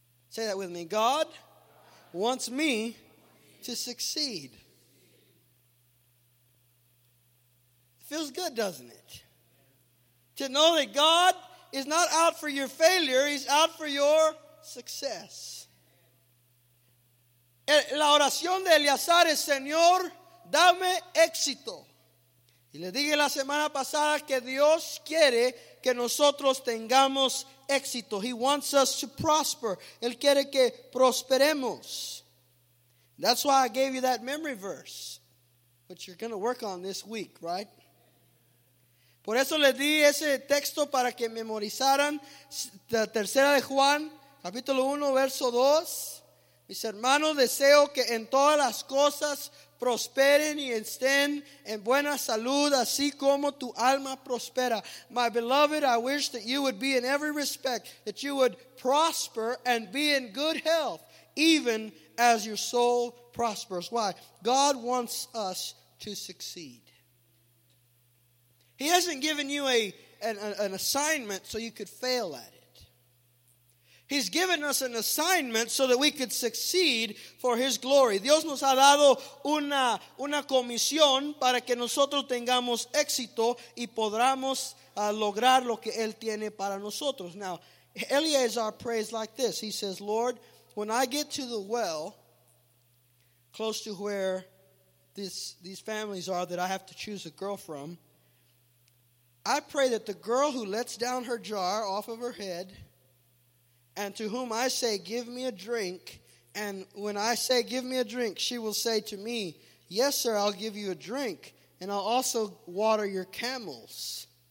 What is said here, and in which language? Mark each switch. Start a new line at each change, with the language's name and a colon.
English: Say that with me. God wants me to succeed. Feels good, doesn't it? To know that God is not out for your failure, he's out for your success.
Spanish: La oración de Eleazar es, Señor, dame éxito. Y le dije la semana pasada que Dios quiere que nosotros tengamos éxito.
English: He wants us to prosper.
Spanish: Él quiere que prosperemos.
English: That's why I gave you that memory verse, which you're going to work on this week, right?
Spanish: Por eso le di ese texto para que memorizaran la tercera de Juan, capítulo 1, verso 2. Mis hermanos, deseo que en todas las cosas prosperen y estén en buena salud, así como tu alma prospera.
English: My beloved, I wish that you would be in every respect, that you would prosper and be in good health, even as your soul prospers. Why? God wants us to succeed. He hasn't given you an assignment so you could fail at it. He's given us an assignment so that we could succeed for his glory.
Spanish: Dios nos ha dado una comisión para que nosotros tengamos éxito y podamos lograr lo que él tiene para nosotros.
English: Now, Eleazar prays like this. He says, Lord, when I get to the well, close to where these families are that I have to choose a girl from, I pray that the girl who lets down her jar off of her head and to whom I say, give me a drink, and when I say, give me a drink, she will say to me, yes, sir, I'll give you a drink, and I'll also water your camels.